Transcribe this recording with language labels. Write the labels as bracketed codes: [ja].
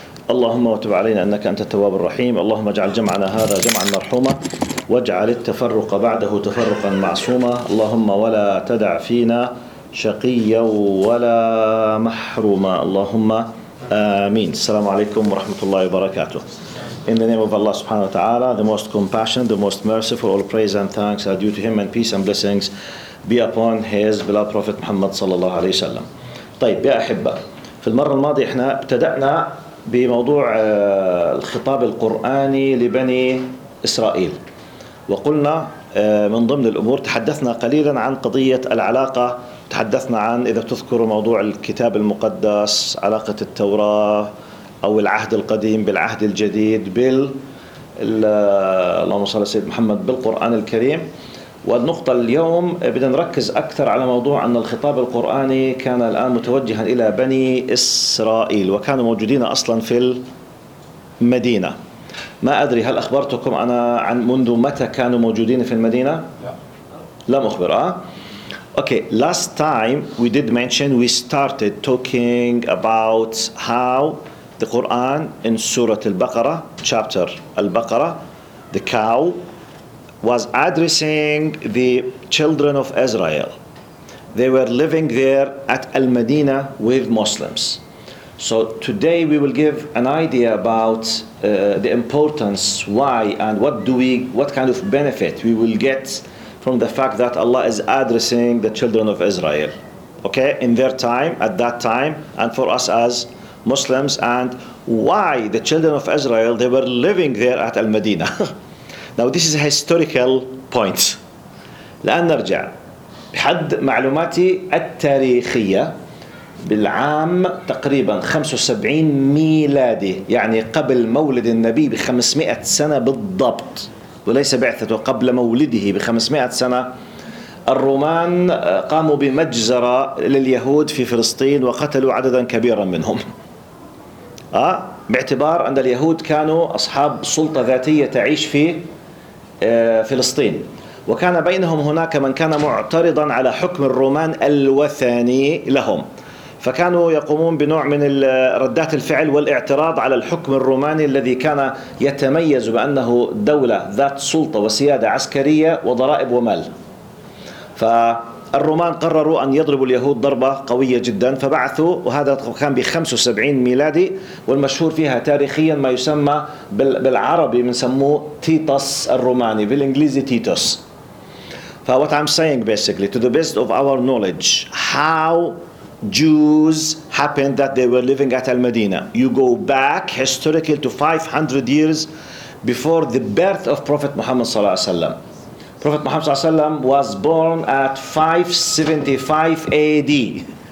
[ar] اللهم وتب علينا إنك أنت التواب الرحيم. اللهم اجعل جمعنا هذا جمعا مرحوما، واجعل التفرق بعده تفرقا معصوما. اللهم ولا تدع فينا شقيا ولا محروما. اللهم آمين. السلام عليكم ورحمة الله وبركاته. [en] In the name of Allah subhanahu wa ta'ala, the most compassionate, the most merciful, all praise and thanks are due to him, and peace and blessings be upon his beloved Prophet Muhammad sallallahu alayhi wa sallam. [ar] طيب يا أحبة، في المرة الماضية احنا ابتدأنا بموضوع الخطاب القرآني لبني إسرائيل، وقلنا من ضمن الأمور تحدثنا قليلا عن قضية العلاقة، تحدثنا عن إذا تذكروا موضوع الكتاب المقدس، علاقة التوراة أو العهد القديم بالعهد الجديد اللهم صل على سيد محمد بالقرآن الكريم. والنقطة اليوم بدنا نركز أكثر على موضوع أن الخطاب القرآني كان الآن متوجها إلى بني إسرائيل، وكانوا موجودين أصلا في المدينة. ما أدري هل أخبرتكم أنا عن منذ متى كانوا موجودين في المدينة؟ لم أخبر. [en] Okay, last time we did mention, we started talking about how the Quran in Surah Al-Baqarah, chapter Al-Baqarah, the cow, was addressing the children of Israel. They were living there at Al-Madinah with Muslims. So today we will give an idea about the importance, why, and what kind of benefit we will get from the fact that Allah is addressing the children of Israel, okay, in their time, at that time, and for us as Muslims, and why the children of Israel, they were living there at Al-Madinah. Now this is a historical point. [ar] لأن نرجع بحد معلوماتي التاريخية بالعام تقريبا 75 ميلادي، يعني قبل مولد النبي ب 500 سنة بالضبط، وليس بعثته، قبل مولده ب 500 سنة، الرومان قاموا بمجزرة لليهود في فلسطين وقتلوا عددا كبيرا منهم. باعتبار أن اليهود كانوا أصحاب سلطة ذاتية تعيش في فلسطين، وكان بينهم هناك من كان معترضا على حكم الرومان الوثني لهم، فكانوا يقومون بنوع من ردات الفعل والاعتراض على الحكم الروماني الذي كان يتميز بأنه دولة ذات سلطة وسيادة عسكرية وضرائب ومال. فالرومان قرروا أن يضربوا اليهود ضربة قوية جدا، فبعثوا، وهذا كان ب 75 ميلادي، والمشهور فيها تاريخيا ما يسمى بالعربي بنسموه تيتوس الروماني، بالإنجليزي تيتوس. [en] ف what I'm saying basically, to the best of our knowledge, how Jews happened that they were living at Al-Madinah. You go back historically to 500 years before the birth of Prophet Muhammad [ar] صلى الله عليه وسلم. [en] Prophet Muhammad [ar] صلى الله عليه وسلم [en] was born at 575 AD.